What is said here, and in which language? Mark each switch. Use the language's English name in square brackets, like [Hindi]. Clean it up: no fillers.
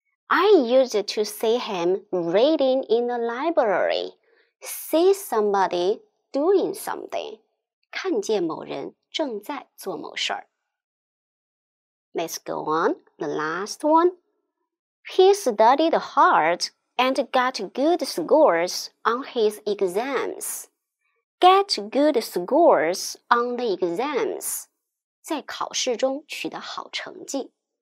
[English] I used to see him reading in the library. See somebody doing something. [Chinese] 看见某人正在做某事儿。 [English] Let's go on, the last one. He studied hard and got good scores on his exams. Get good scores on the exams. [Chinese] 在考试中取得好成绩。